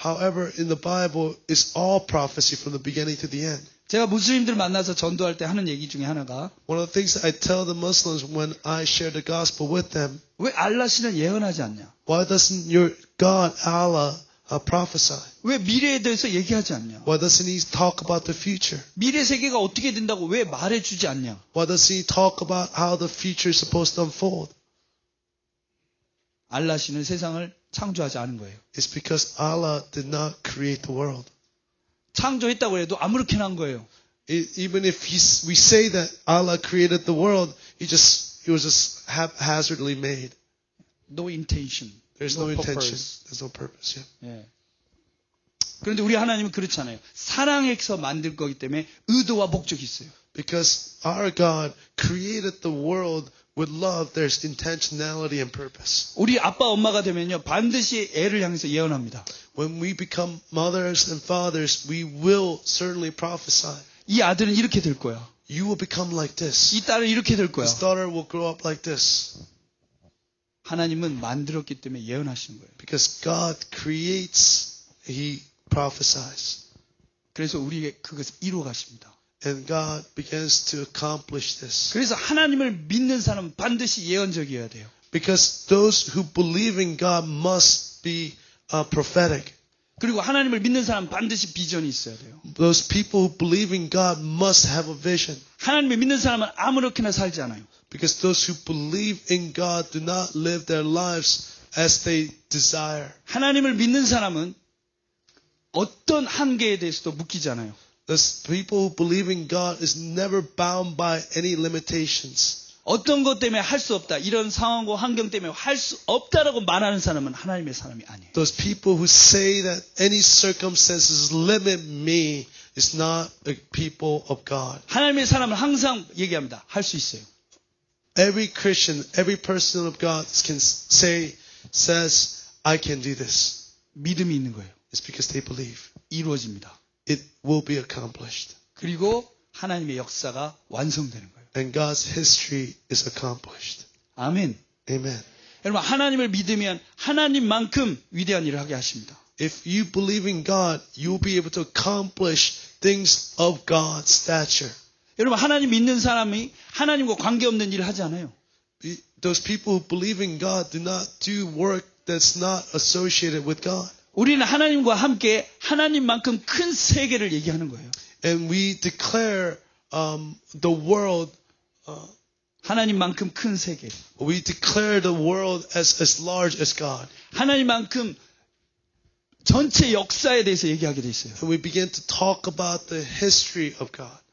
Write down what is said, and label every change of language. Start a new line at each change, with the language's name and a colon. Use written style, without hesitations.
English: However, in the Bible, it's all prophecy from the beginning to the end.
Korean: 제가 무슬림들 만나서 전도할 때 하는 얘기 중에 하나가
English: One of the things I tell the Muslims when I share the gospel with them
Korean: 왜 알라시는 예언하지 않냐?
English: Why doesn't your God, Allah, prophesy.
Korean: 왜 미래에 대해서 얘기하지 않냐?
English: Why doesn't he talk about the future?
Korean: 미래 세계가 어떻게 된다고 왜 말해주지 않냐?
English: Why doesn't he talk about how the future is supposed to unfold?
Korean: 알라 씨는 세상을 창조하지 않은 거예요.
English: It's because Allah did not create the world.
Korean: 창조했다고 해도 아무렇게나 한 거예요.
English: Even if we say that Allah created the world, it was just haphazardly made. No intention. There's no intention. There's no purpose. Yeah.
Korean: 예. 그런데 우리 하나님은 그렇지 않아요. 사랑에서 만들 거기 때문에 의도와 목적이 있어요.
English: Because our God created the world with love, there's intentionality and purpose.
Korean: 우리 아빠 엄마가 되면요, 반드시 애를 향해서 예언합니다.
English: When we become mothers and fathers, we will certainly prophesy.
Korean: 이 아들은 이렇게 될 거야.
English: You will become like this.
Korean: 이 딸은 이렇게 될 거야.
English: This daughter will grow up like this.
Korean: 하나님은 만들었기 때문에 예언하시는 거예요.
English: Because God creates, He prophesies.
Korean: 그래서 우리에게 그것을 이루어 가십니다.
English: And God begins to accomplish this.
Korean: 그래서 하나님을 믿는 사람은 반드시 예언적이어야 돼요.
English: Because those who believe in God must be prophetic.
Korean: 그리고 하나님을 믿는 사람 반드시 비전이 있어야 돼요.
English: Those people who believe in God must have a vision.
Korean: 하나님을 믿는 사람은 아무렇게나 살지 않아요.
English: Because those who believe in God do not live their lives as they desire.
Korean: 하나님을 믿는 사람은 어떤 한계에 대해서도 묶이지 않아요.
English: Those people who believe in God is never bound by any limitations.
Korean: 어떤 것 때문에 할 수 없다. 이런 상황과 환경 때문에 할 수 없다라고 말하는 사람은 하나님의 사람이 아니에요.
English: Those people who say that any circumstances limit me is not a people of God.
Korean: 하나님의 사람은 항상 얘기합니다. 할 수 있어요.
English: Every Christian, every person of God can say, says, I can do this.
Korean: 믿음이 있는 거예요.
English: It's because they believe.
Korean: 이루어집니다.
English: It will be accomplished.
Korean: 그리고 하나님의 역사가 완성되는 거예요.
English: And God's history is accomplished.
Korean: 아멘.
English: Amen.
Korean: 여러분, 하나님을 믿으면 하나님만큼 위대한 일을 하게 하십니다.
English: If you believe in God, you'll be able to accomplish things of God's stature.
Korean: 여러분, 하나님 믿는 사람이 하나님과 관계없는 일을 하지 않아요.
English: Those people who believe in God do not do work that's not associated with God.
Korean: 우리는 하나님과 함께 하나님만큼 큰 세계를 얘기하는 거예요.
English: And we declare the world
Korean: 하나님만큼 큰 세계.
English: We declare the world as large as God.
Korean: 하나님만큼 전체 역사에 대해서 얘기하게 돼 있어요.
English: And we begin to talk about the history of God.